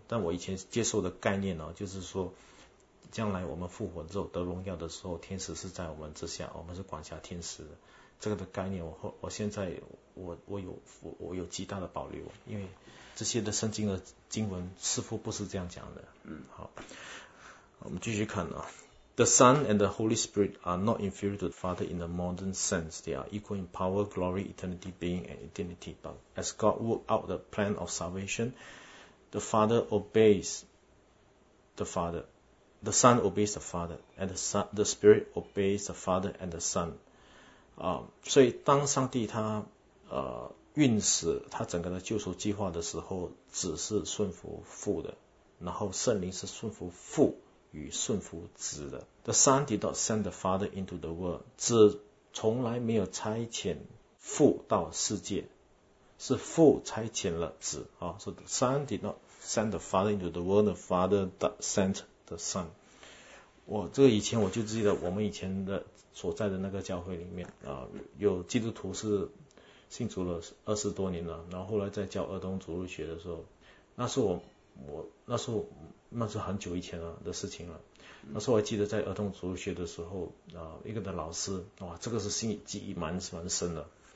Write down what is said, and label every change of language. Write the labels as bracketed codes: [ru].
[zh] 但我以前接受的概念呢、就是说将来我们复活之后得荣耀的时候，天使是在我们之下，我们是管辖天使的，这个的概念我现在我有极大的保留，因为这些的圣经的经文似乎不是这样讲的。好，我们继续看啊。 [en] The Son and the Holy Spirit are not inferior to the Father in the modern sense. They are equal in power, glory, eternity, being, and eternity. But as God worked out the plan of salvation, the Father obeys the Father. The Son obeys the Father, and the Spirit obeys the Father and the Son. [zh] 所以当上帝他运使他整个的救赎计划的时候，子是顺服父的，然后圣灵是顺服父与顺服子的。 [en] The Son did not send the Father into the world. [zh] 子从来没有差遣父到世界，是父差遣了子。 [en] So the Son did not send the Father into the world. The Father sent the Son. [zh] 我这个以前我就记得我们以前的所在的那个教会里面有基督徒是信主了二十多年了，然后后来在教儿童主日学的时候，那是那是很久以前了的事情了。那时候我记得在儿童主日学的时候一个的老师，哇，这个是记忆蛮深的。